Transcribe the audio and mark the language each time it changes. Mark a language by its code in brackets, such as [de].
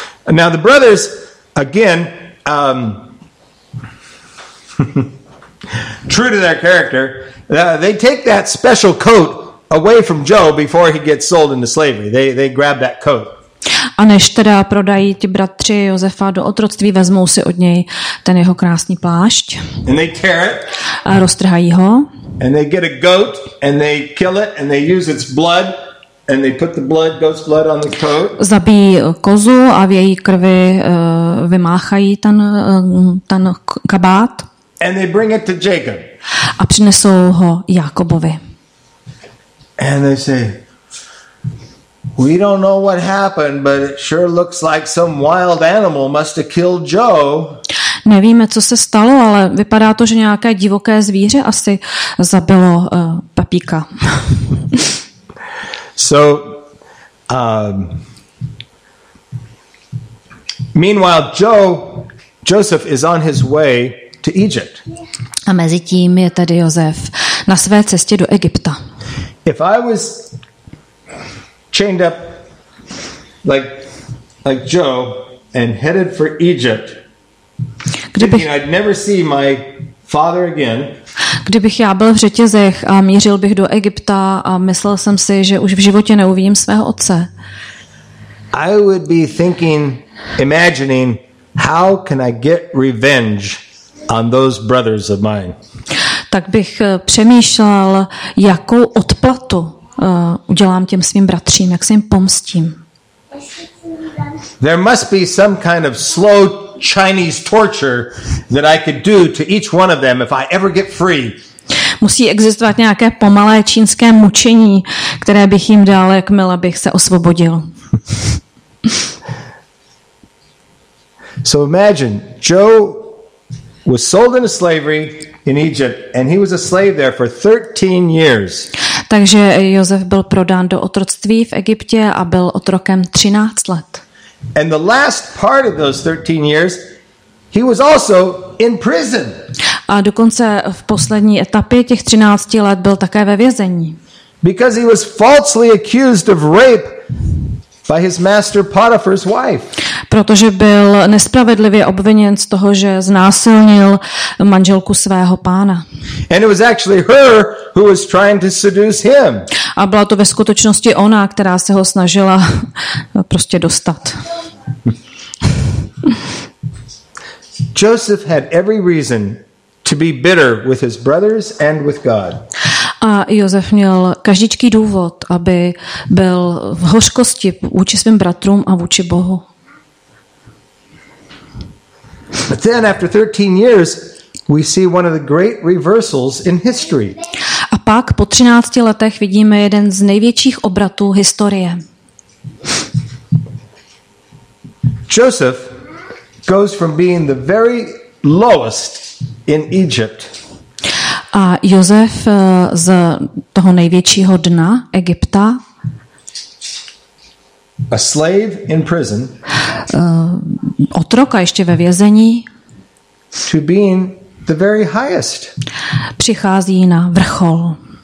[en] Now the brothers again true to their character, they take that special coat away from Joe before he gets sold into slavery. They grab that coat. [cs] A než teda prodají ti bratři Josefa do otroctví, vezmou si od něj ten jeho krásný plášť. [en] And they tear it. [cs] A roztrhají ho. [en] And they get a goat and they kill it and they use its blood and they put the blood, goat's blood on the coat. [cs] Zabijí kozu a v její krvi vymáchají ten kabát. [en] And they bring it to Jacob. [cs] A přinesou ho Jakobovi. [en] And they say, we don't know what happened, but it sure looks like some wild animal must have killed Joe. [cs] Nevíme, co se stalo, ale vypadá to, že nějaké divoké zvíře asi zabilo papíka. [en] So, meanwhile, Joseph is on his way to Egypt. [cs] A mezi tím je tady Josef na své cestě do Egypta. [en] If I was chained up like Joe and headed for Egypt, [cs] kdybych, [en] thinking I'd never see my father again. [cs] Kdybych já byl v řetězech a mířil bych do Egypta a myslel jsem si, že už v životě neuvidím svého otce. [en] I would be thinking, imagining, how can I get revenge on those brothers of mine. [cs] Tak bych přemýšlel, jakou odplatu udělám těm svým bratřím, jak se jim pomstím. [en] There must be some kind of slow Chinese torture that I could do to each one of them if I ever get free. [cs] Musí existovat nějaké pomalé čínské mučení, které bych jim dal, jakmile bych se osvobodil. [en] So imagine, Joe was sold into slavery in Egypt, and he was a slave there for 13 years. [cs] Takže Josef byl prodán do otroctví v Egyptě a byl otrokem 13 let. [en] And the last part of those 13 years, he was also in prison. [cs] A dokonce v poslední etapě těch 13 let byl také ve vězení. [en] Because he was falsely accused of rape by his master Potiphar's wife. [cs] Protože byl nespravedlivě obviněn z toho, že znásilnil manželku svého pána. [en] And it was actually her who was trying to seduce him. [cs] A byla to ve skutečnosti ona, která se ho snažila prostě dostat. [en] Joseph had every reason to be bitter with his brothers and with God. [cs] A Josef měl každičký důvod, aby byl v hořkosti vůči svým bratrům a vůči Bohu. [en] But then after 13 years, we see one of the great reversals in history. [cs] A pak po 13 letech vidíme jeden z největších obratů historie. [en] Joseph goes from being the very lowest in Egypt. [cs] A Josef z toho největšího dna Egypta. [en] A slave in prison. [cs] Otroka ještě ve vězení. [en] To being the very highest. [cs] Přichází na vrchol.